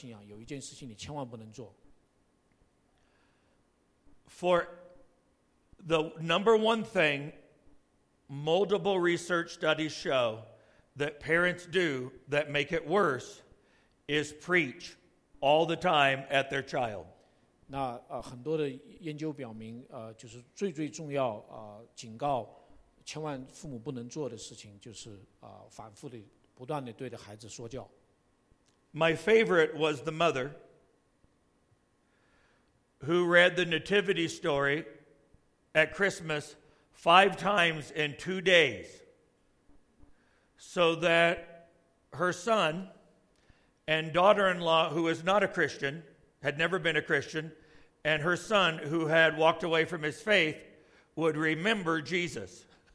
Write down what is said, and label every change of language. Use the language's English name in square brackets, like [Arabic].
[Chinese] 所以，那总结，结束之前我有一个忠告，就是当你发觉你的孩子已经离开信仰或者正在离开信仰，有一件事情你千万不能做。 [English] For the number one thing, multiple research studies show that parents do that make it worse is preach all the time at their child. [Chinese] 那很多的研究表明，就是最最重要，警告，千万父母不能做的事情，就是反复的、不断的对着孩子说教。 [English] My favorite was the mother who read the nativity story at Christmas 5 times in 2 days so that her son and daughter-in-law, who is not a Christian, had never been a Christian, and her son, who had walked away from his faith, would remember Jesus.